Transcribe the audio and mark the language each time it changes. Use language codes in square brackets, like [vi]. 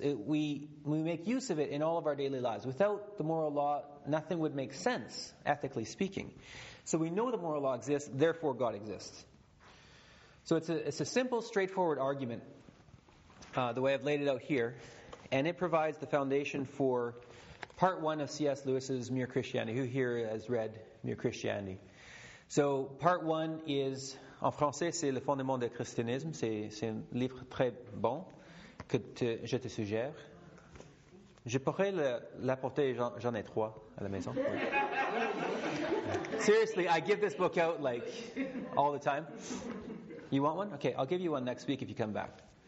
[en] We make use of it in all of our daily lives. Without the moral law, nothing would make sense, ethically speaking. So we know the moral law exists, therefore God exists. So it's a simple, straightforward argument, the way I've laid it out here, and it provides the foundation for part one of C.S. Lewis's Mere Christianity. Who here has read Mere Christianity? So part one is, [fr] en français, c'est le fondement du christianisme. C'est un livre très bon que je te suggère. Je pourrais l'apporter, j'en ai trois à la maison. Oui. [en] Seriously, I give this book out like all the time. You want one? Okay, I'll give you one next week if you come back.